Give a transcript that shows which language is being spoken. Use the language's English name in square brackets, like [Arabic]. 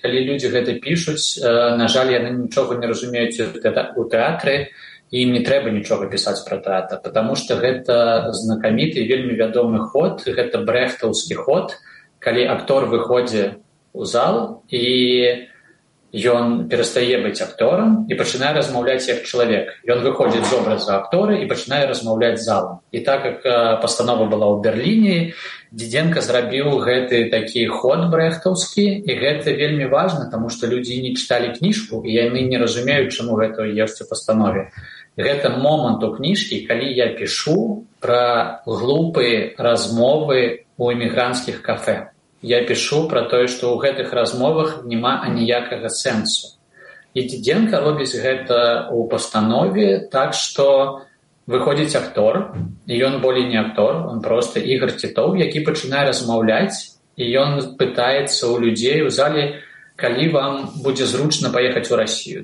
[Russian] Когда люди это пишут, на жаль, они ничего не разумеют у театра, и им не треба ничего писать про театр, потому что это знакомитый, вельми ведомый ход, это брехтовский ход, когда актор выходит в зал, и... [Belarusian] Ён перастае быць акторам і пачынае размаўляць як чалавек. Ён выходзіць з образа актора і пачынае размаўляць залам. І так як пастанова была ў Берліне, Дзідзенка зрабіў гэты такі ход брэхтаўскі, і гэта вельмі важна, таму што людзі не чыталі кніжку, і яны не разумеюць, чаму гэта ёсць у пастанове. Гэта момант у кніжкі, калі я пішу пра глупыя размовы ў эмігранцкіх кафе. [Russian] Я пишу про то, что [Belarusian] у гэтых размовах нема ніякага сэнсу. И Дзідзенка робіць гэта у пастанове так, что выходзіць актор, и ён болей не актор, он просто Ігор Титов, які пачынае размаўляць, и ён пытаецца у людзей у зале, калі вам будзе зручна паехаць у Расію.